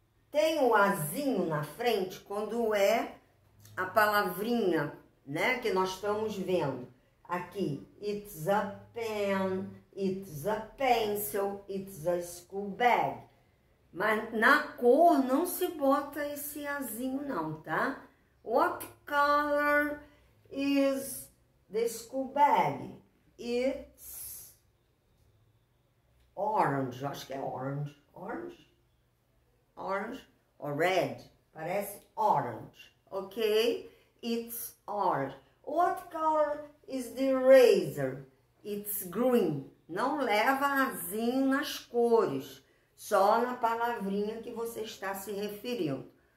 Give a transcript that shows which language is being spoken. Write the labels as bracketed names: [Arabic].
[Portuguese] Tem o azinho na frente quando é a palavrinha, né, que nós estamos vendo. Aqui, [English] it's a pen, It's a pencil, it's a school bag. [Portuguese] Mas na cor não se bota esse azinho não, tá? [English] What color is the school bag? It's orange, [Portuguese] acho que é [English] orange. Orange? Orange or red? [Portuguese] Parece [English] orange, ok? It's orange. What color is the eraser? It's green. [Portuguese] Não leva azinho nas cores, só na palavrinha que você está se referindo.